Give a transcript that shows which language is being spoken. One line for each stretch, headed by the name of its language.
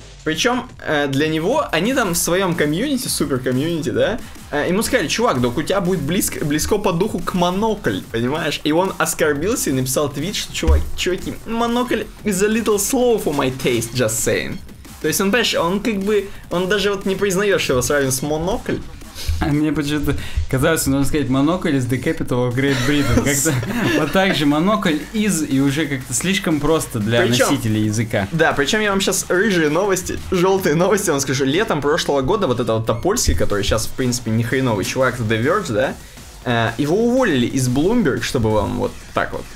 Russian: Причем для него, они там в своем комьюнити, супер комьюнити, да, ему сказали, чувак, док, у тебя будет близко по духу к Монокль, понимаешь? И он оскорбился и написал твит, что, чуваки,
English: Монокль is a little slow for my taste, just saying.
Russian: То есть он, понимаешь, он как бы, он даже вот не признает, что его сравнивает с Монокль. А мне почему-то казалось, нужно сказать
English: Monocle is the capital of Great Britain.
Russian: Как-то вот так же Monocle is и уже как-то слишком просто для носителей языка. Да, причем я вам сейчас рыжие новости, желтые новости вам скажу. Летом прошлого года вот этот Топольский, который сейчас, в принципе, не хреновый чувак, The Verge, да, его уволили из Bloomberg, чтобы вам вот так вот.